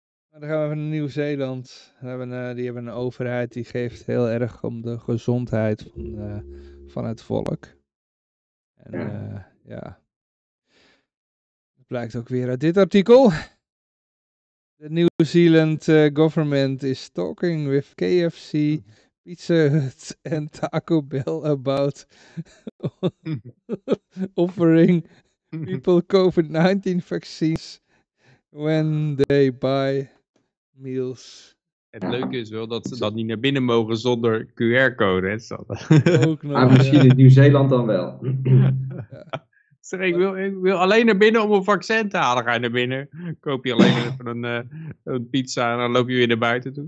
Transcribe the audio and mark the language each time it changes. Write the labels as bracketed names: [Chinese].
[Dutch] Dan gaan we even naar Nieuw-Zeeland. Die hebben een overheid die geeft heel erg om de gezondheid van het volk. En dat blijkt ook weer uit dit artikel. [English] The New Zealand government is talking with KFC, Pizza Hut en Taco Bell about offering people COVID-19 vaccines when they buy meals. [Dutch] Het leuke is wel dat ze dat niet naar binnen mogen zonder QR-code. Hè? Ook nog, misschien in Nieuw-Zeeland dan wel. Sorry, ik wil alleen naar binnen om een vaccin te halen. Ga je naar binnen, koop je alleen even een pizza en dan loop je weer naar buiten toe.